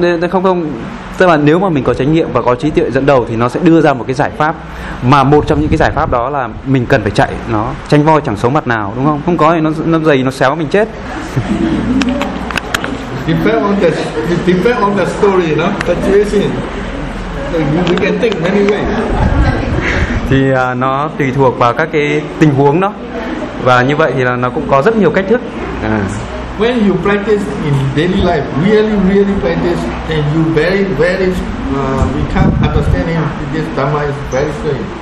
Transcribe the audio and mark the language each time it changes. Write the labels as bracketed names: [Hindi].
[Vietnamese] Không, tức là nếu mà mình có chánh niệm và có trí tuệ dẫn đầu thì nó sẽ đưa ra một cái giải pháp, mà một trong những cái giải pháp đó là mình cần phải chạy, nó tranh voi chẳng sống mặt nào, đúng không? Không có thì nó dày nó xéo mình chết. [English] Depend on the story, you know, the situation. We can think many ways. [Vietnamese] Thì nó tùy thuộc vào các cái tình huống đó, và như vậy thì là nó cũng có rất nhiều cách thức. [English] When you practice in daily life, really, really practice, and you very, very become understanding this Dhamma is very strange.